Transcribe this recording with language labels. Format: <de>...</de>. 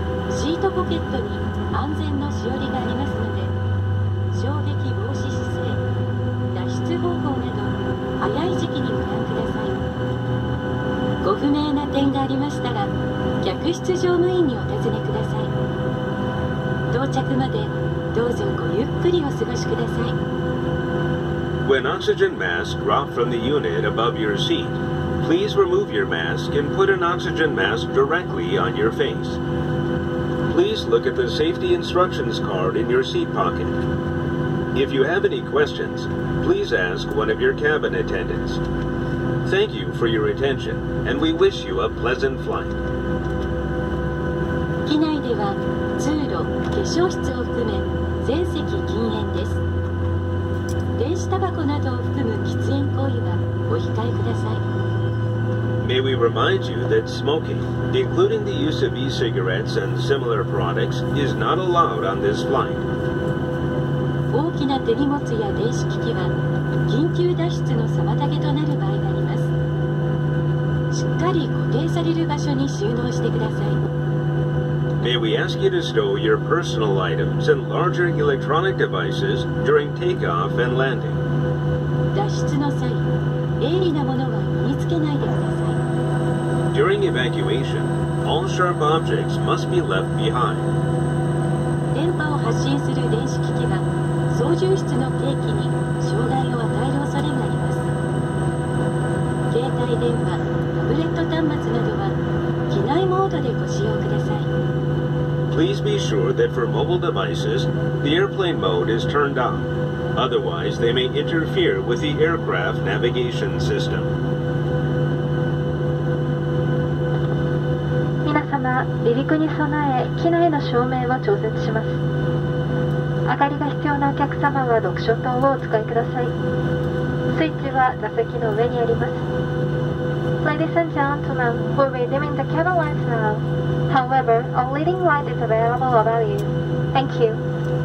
<ja>シートポケットに安全のしおりがありますので、衝撃防止姿勢、脱出方法など早い時期にご覧ください。ご不明な点がありましたら客室乗務員にお尋ねください。到着までどうぞごゆっくりお過ごしください。</ja> <en>When oxygen masks drop from the unit above your seat, please remove your mask and put an oxygen mask directly on your face. Please look at the safety instructions card in your seat pocket. If you have any questions, please ask one of your cabin attendants. Thank you for your attention and we wish you a pleasant flight.</en> <ja>機内では通路、化粧室を含め全席禁煙です。電子タバコなどを含む喫煙行為はお控えください。</ja> <en>May we remind you that smoking, including the use of e-cigarettes and similar products, is not allowed on this flight.</en> <ja>大きな手荷物や電子機器は緊急脱出の妨げとなる場合があります。しっかり固定される場所に収納してください。</ja> <en>May we ask you to stow your personal items and larger electronic devices during takeoff and landing.</en> <ja>脱出の際、鋭利なものは身につけないでください。</ja> <en>During evacuation, all sharp objects must be left behind.</en> <ja>電波を発信する電子機器は操縦室の計器に障害を与える恐れがあります。携帯電話、タブレット端末などは機内モードでご使用ください。</ja> <en>Please be sure that that for mobile devices, the airplane mode is turned on. Otherwise, they may interfere with the aircraft navigation system.</en> <ja>皆様、離陸に備え、機内の照明を調節します。明かりが必要なお客様は読書灯をお使いください。スイッチは座席の上にあります。</ja> <en>Ladies and gentlemen, we'll be dimming the cabin lights now. However, all leading light is available above you. Thank you.</en>